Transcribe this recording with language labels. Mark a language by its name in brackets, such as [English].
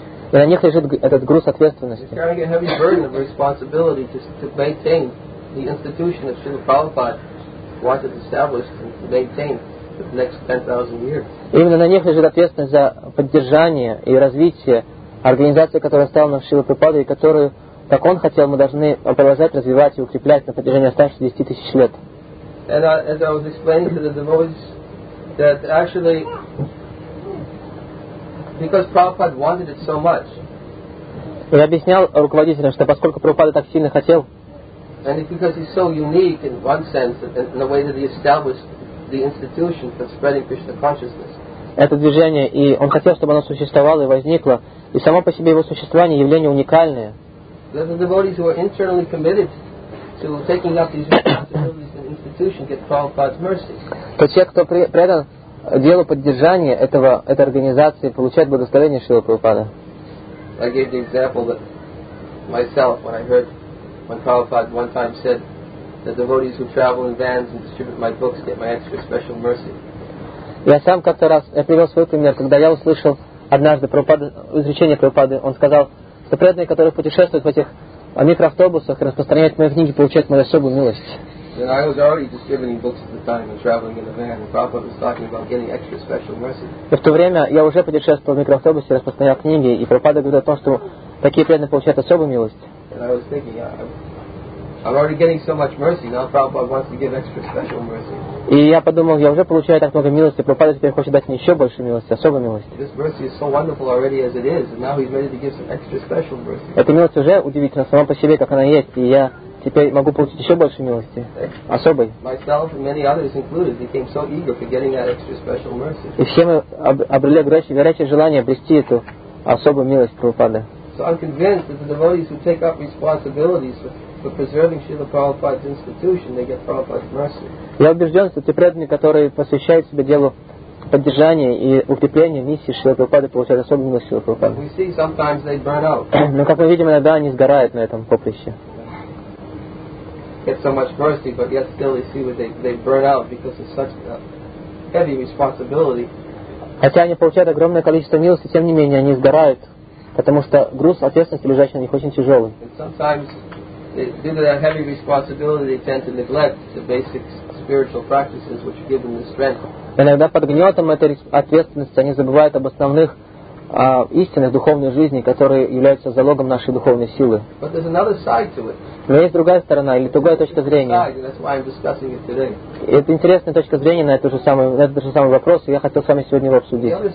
[Russian] И на них лежит этот груз ответственности. [English] They're carrying a heavy burden of responsibility to maintain the institution that Srila Prabhupada wanted established and to maintain for the next 10,000 years. [Russian] Именно на них лежит ответственность за поддержание и развитие организации, которая стала Шрила Прабхупада и которую, как он хотел, мы должны продолжать развивать и укреплять на протяжении оставшихся 10 тысяч лет. [English] And as I was explaining to the devotees, that actually, because Prabhupada wanted it so much. [Russian] Я объяснял руководителям, что поскольку Прабхупада так сильно хотел. [English] And because he's so unique in one sense, in the way that he established the institution for spreading Krishna consciousness. [Russian] Это движение, и он хотел, чтобы оно существовало и возникло, и само по себе его существование явление уникальное. [English] That the devotees who are internally committed to taking up these responsibilities in the institution get Prabhupada's mercy. [Russian] То те, кто предан делу поддержания этой организации, получает благословение Шрилы Прабхупады. [English] I gave the example that myself when I heard when Prabhupada one time said the devotees who travel in vans and distribute my books get my extra special mercy. [Russian] Я сам как-то раз я привел свой пример, когда я услышал однажды Прабхупада, изречение Прабхупады, он сказал, что преданные, которые путешествуют в этих микроавтобусах и распространяют мои книги, получают мою особую милость. [English] Then I was already distributing books at the time and traveling in the van. And Prabhupada was talking about getting extra special mercy. [Russian] В то время я уже путешествовал в микроавтобусе, распространял книги, и Прабхупада говорит о том, что такие преданные получают особую милость. [English] And I was thinking, I'm already getting so much mercy. Now Prabhupada wants to give extra special mercy. [Russian] И я подумал, я уже получаю так много милости, Прабхупада теперь хочет дать мне еще больше милости, особой милости. [English] This mercy is so wonderful already as it is, and now he's ready to give some extra special mercy. [Russian] Эта милость уже удивительна сама по себе, как она есть, и я теперь могу получить еще больше милости, особой. [English] Myself and many others included became so eager for getting that extra special mercy. [Russian] И все мы обрели горячее желание обрести эту особую милость Прабхупады. [English] So I'm convinced that the devotees who take up responsibilities for for preserving Srila Prabhupada's institution, they get Prabhupada's mercy. [Russian] Я убежден, что те преданные, которые посвящают себя делу поддержания и укрепления миссии Шрилы Прабхупады, получают особую милость Шрилы Прабхупады. [English] We see sometimes they burn out. [Russian] Но как мы видим, иногда они сгорают на этом поприще. [English] Get so much mercy, but yet still they see that they burn out because it's such a heavy responsibility. [Russian] Хотя они получают огромное количество милости, тем не менее они сгорают, потому что груз ответственности, лежащий на них, очень тяжелый. [English] And sometimes, due to that heavy responsibility, they tend to neglect the basic spiritual practices, which give them the strength. [Russian] Иногда под гнетом этой ответственности они забывают об основных истинных духовной жизни, которые являются залогом нашей духовной силы. [English] But there's another side to it. [Russian] Но есть другая сторона или другая точка зрения. Это интересная точка зрения на этот же самый, вопрос, и я хотел с вами сегодня его обсудить.